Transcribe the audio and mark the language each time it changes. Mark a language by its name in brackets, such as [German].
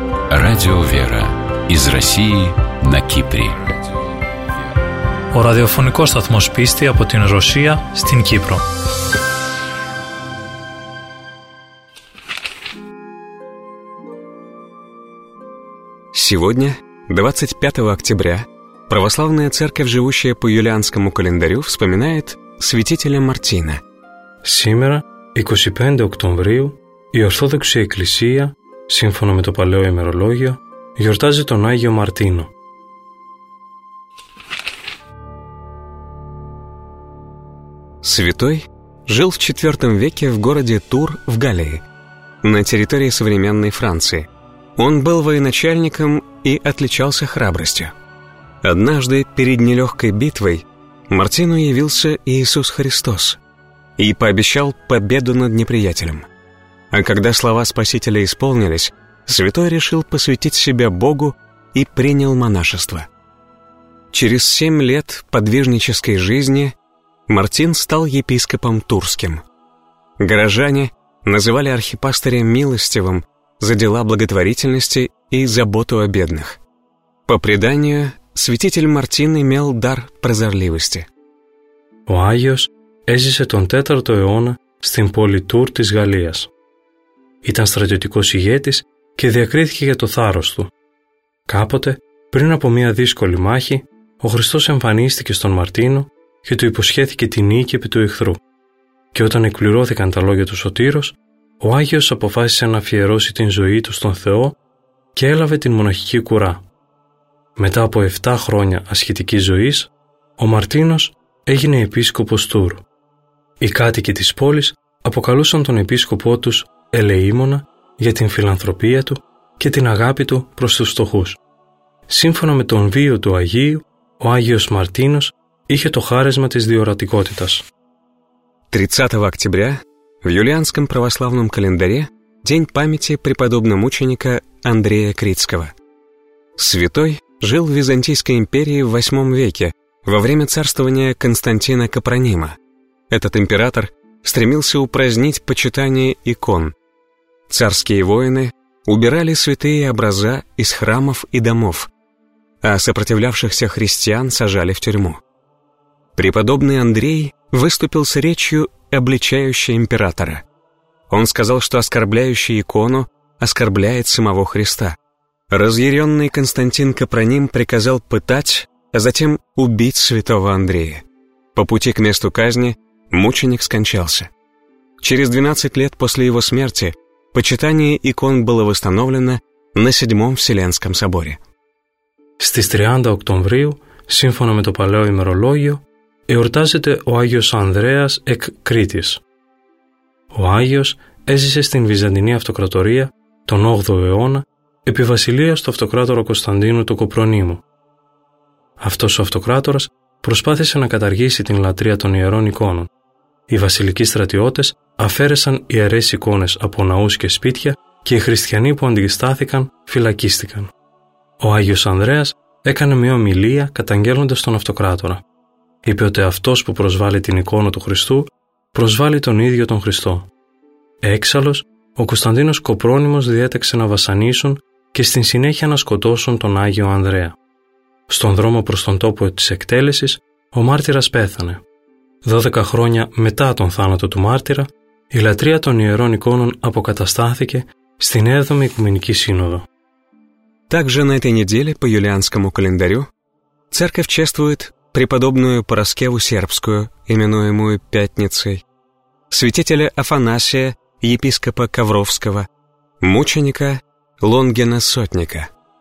[Russian] Радио «Вера» из России на Кипре. [Greek] Ο ραδιοφωνικός σταθμός πίστη από την Ρωσία στην Κύπρο. [Russian] Сегодня, 25 октября, православная церковь, живущая по юлианскому календарю, вспоминает святителя Мартина. Сегодня, 25 октября, [Greek] η Ορθόδοξη Εκκλησία, σύμφωνα με το παλαιό ημερολόγιο, γιορτάζει τον Άγιο Μαρτίνο. [Russian] Святой жил в IV веке в городе Тур в Галлии, на территории современной Франции. Он был военачальником и отличался храбростью. Однажды перед нелегкой битвой Мартину явился Иисус Христос и пообещал победу над неприятелем. А когда слова Спасителя исполнились, святой решил посвятить себя Богу и принял монашество. Через 7 лет подвижнической жизни Мартин стал епископом Турским. Горожане называли архипастыря милостивым за дела благотворительности и заботу о бедных. По преданию, святитель Мартин имел дар прозорливости. [Greek] Ο Άγιος έζησε τον 4ο αιώνα στην πόλη Τούρ της Γαλλίας. Ήταν στρατιωτικός ηγέτης και διακρίθηκε για το θάρρος του. Κάποτε, πριν από μια δύσκολη μάχη, ο Χριστός εμφανίστηκε στον Μαρτίνο και του υποσχέθηκε την νίκη επί του εχθρού. Και όταν εκπληρώθηκαν τα λόγια του Σωτήρος, ο Άγιος αποφάσισε να αφιερώσει την ζωή του στον Θεό και έλαβε την μοναχική κουρά. Μετά από 7 χρόνια ασχητικής ζωής, ο Μαρτίνος έγινε επίσκοπος Τούρ. Οι κάτοικοι της πόλης αποκαλούσαν τον επίσκοπό τους Ελεήμονα για την φιλανθρωπία του και την αγάπη του προς τους φτωχούς. Σύμφωνα με τον βίο του Αγίου, ο Άγιος Μαρτίνος είχε το χάρισμα της διορατικότητας. [Russian] 30 октября в юлианском православном календаре день памяти преподобномученика Андрея Крицкого. Святой жил в Византийской империи в 8 веке, во время царствования Константина Капронима. Этот император стремился упразднить почитание икон. Царские воины убирали святые образа из храмов и домов, а сопротивлявшихся христиан сажали в тюрьму. Преподобный Андрей выступил с речью, обличающей императора. Он сказал, что оскорбляющий икону оскорбляет самого Христа. Разъяренный Константин Капроним приказал пытать, а затем убить святого Андрея. По пути к месту казни мученик скончался. Через 12 лет после его смерти почитание икон было восстановлено на 7-м Вселенском соборе. [Greek] Στις 30 [Russian] октября, [Greek] σύμφωνα με το παλαιό ημερολόγιο, εορτάζεται ο Άγιος Ανδρέας εκ Κρήτης. Ο Άγιος έζησε στην Βυζαντινή Αυτοκρατορία τον 8ο αιώνα επί βασιλείας του αυτοκράτορα Κωνσταντίνου του Κοπρονίμου. Αυτός ο αυτοκράτορας προσπάθησε να καταργήσει την λατρεία των ιερών εικόνων. Οι βασιλικοί στρατιώτες αφαίρεσαν ιερές εικόνες από ναούς και σπίτια και οι χριστιανοί που αντιστάθηκαν φυλακίστηκαν. Ο Άγιος Ανδρέας έκανε μια ομιλία καταγγέλλοντας τον αυτοκράτορα. Είπε ότι αυτός που προσβάλλει την εικόνα του Χριστού προσβάλλει τον ίδιο τον Χριστό. Έξαλλος, ο Κωνσταντίνος Κοπρόνιμος διέταξε να βασανίσουν και στην συνέχεια να σκοτώσουν τον Άγιο Ανδρέα. Στον δρόμο προς τον τόπο της εκτέλεσης, ο μάρτυρας πέθανε. 12 χρόνια μετά τον θάνατο του μάρτυρα, η λατρεία των ιερών εικόνων αποκαταστάθηκε στην 7η Οικουμενική Σύνοδο. [Russian] Также на этой неделе по юлианскому календарю церковь чествует преподобную Параскеву Сербскую, именуемую Пятницей, святителя Афанасия, епископа Ковровского, мученика Лонгина Сотника.